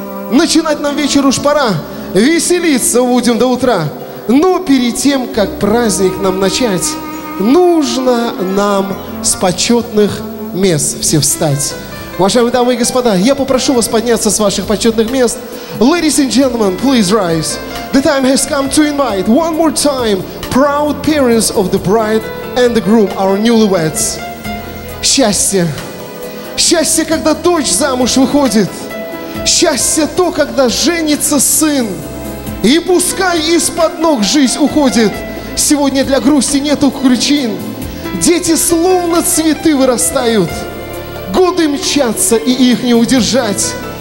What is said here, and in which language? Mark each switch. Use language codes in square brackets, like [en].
[ru] Начинать нам вечер уж пора, веселиться будем до утра. Но перед тем, как праздник нам начать, нужно нам с почетных мест все встать. Уважаемые дамы и господа, я попрошу вас подняться с ваших почетных мест. [en] Ladies and gentlemen, please rise. The time has come to invite one more time proud parents of the bride and the groom, our newlyweds. [ru] Счастье. Счастье, когда дочь замуж выходит. Счастье то, когда женится сын. И пускай из-под ног жизнь уходит. Сегодня для грусти нету причин. Дети словно цветы вырастают. Годы мчатся, и их не удержать.